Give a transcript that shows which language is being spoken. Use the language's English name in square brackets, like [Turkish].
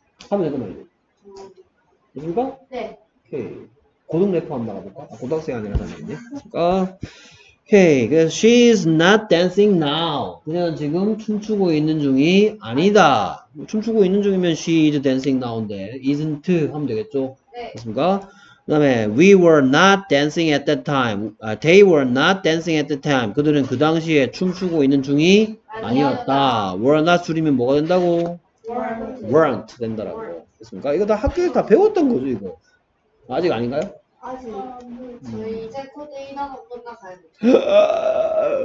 [Korean] 하면 되는 말이죠. 됐습니까? 네. 오케이. 고등 래퍼 한번 나가볼까? 아, 고등학생이 아니라 사람인데. 아, 오케이. 그래서 [English] she's not dancing now. [Korean] 그녀는 지금 춤추고 있는 중이 아니다. 춤추고 있는 중이면 [English] she is dancing now [Korean] 인데 isn't 하면 되겠죠. 됐습니까? 그다음에 [English] we were not dancing at that time. They were not dancing at the time. [Korean] 그들은 그 당시에 춤추고 있는 중이 아니었다. were not 줄이면 뭐가 된다고? weren't 된다라고. 됐습니까? 이거 다 학교에서 다 배웠던 거죠, 이거. 아직 아닌가요? 아직 저희 이제 코드 1학원 끝나가야 돼요.